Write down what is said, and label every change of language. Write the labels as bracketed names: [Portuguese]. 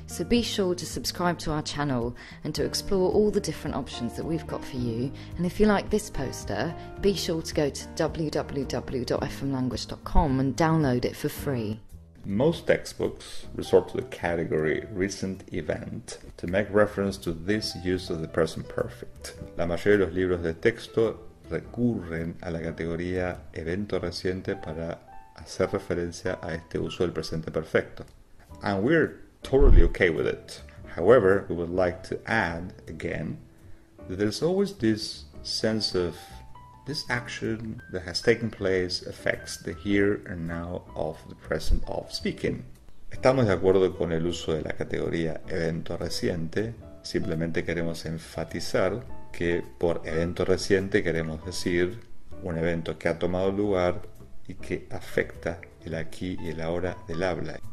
[English] So be sure to subscribe to our channel and to explore all the different options that we've got for you. And if you like this poster, be sure to go to www.fmlanguage.com and download it for free. Most textbooks resort to the category recent event to make reference to this use of the present perfect. [Spanish] La mayoría de los libros de texto recurren a la categoría evento reciente para hacer referencia a este uso del presente perfecto. [English] And we're totally okay with it. However, we would like to add again that there's always this sense of this action that has taken place affects the here and now of the present of speaking. [Spanish] Estamos de acuerdo con el uso de la categoría evento reciente. Simplemente queremos enfatizar que por evento reciente queremos decir un evento que ha tomado lugar y que afecta el aquí y el ahora del habla.